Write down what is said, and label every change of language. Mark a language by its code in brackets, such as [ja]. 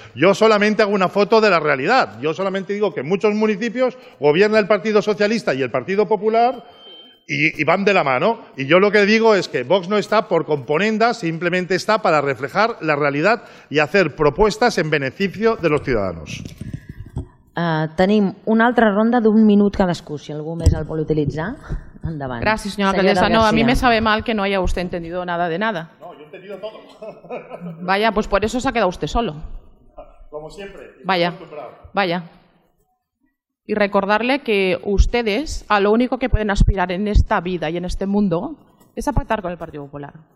[es] Yo solamente hago una foto de la realidad. Yo solamente digo que en muchos municipios gobierna el Partido Socialista y el Partido Popular y van de la mano. Y yo lo que digo es que Vox no está por componendas, simplemente está para reflejar la realidad y hacer propuestas en beneficio de los ciudadanos. [ca] Tenim una altra ronda d'un minut cadascú, si algú més el vol utilitzar. Endavant. Gràcies, senyora alcaldessa. [es] No, a mi me sabe mal que no haya usted entendido nada de nada. No, yo he entendido todo. Vaya, pues por eso se ha quedado usted solo. Como siempre. Vaya, vaya. Y recordarle que ustedes a lo único que pueden aspirar en esta vida y en este mundo es a pactar con el Partido Popular.